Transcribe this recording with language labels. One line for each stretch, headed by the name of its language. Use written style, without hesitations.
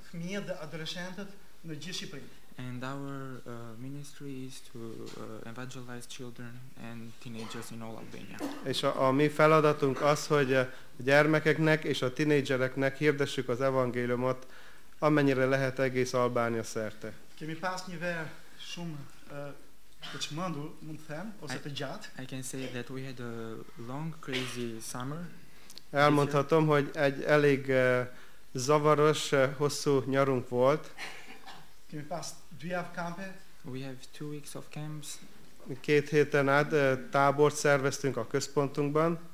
English: And our ministry is to evangelize children and teenagers in all Albania.
Hungarian: És a mi feladatunk az, hogy a gyermekeknek és a tinédzsereknek hirdessük az evangéliumot, amennyire lehet egész Albánia szerte.
English: I can say that we had a long crazy summer.
Hungarian: Elmondhatom, hogy egy elég zavaros, hosszú nyarunk volt.
English: We have 2 weeks of camps.
Hungarian: 2 héten át tábort szerveztünk a központunkban.